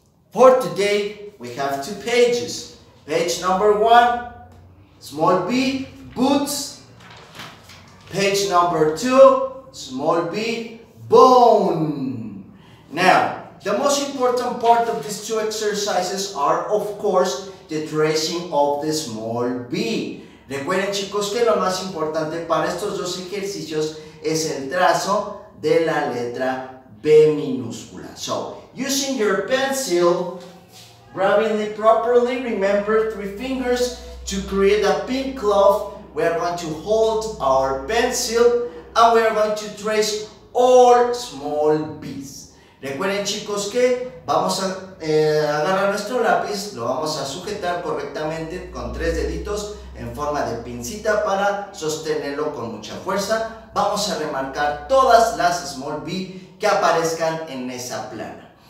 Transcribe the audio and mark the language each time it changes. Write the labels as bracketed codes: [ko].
[en] For today, we have two pages. Page number one, small B, boots. Page number two, small B, bone. Now, the most important part of these two exercises are, of course, the tracing of the small B. [es] Recuerden, chicos, que lo más importante para estos dos ejercicios es el trazo de la letra B minúscula. [en] So, using your pencil, grabbing it properly, remember three fingers to create a pink cloth. We are going to hold our pencil and we are going to trace all small B's. [es] Recuerden, chicos, que vamos a agarrar nuestro lápiz, lo vamos a sujetar correctamente con tres deditos en forma de pincita para sostenerlo con mucha fuerza. Vamos a remarcar todas las small B que aparezcan en esa plana.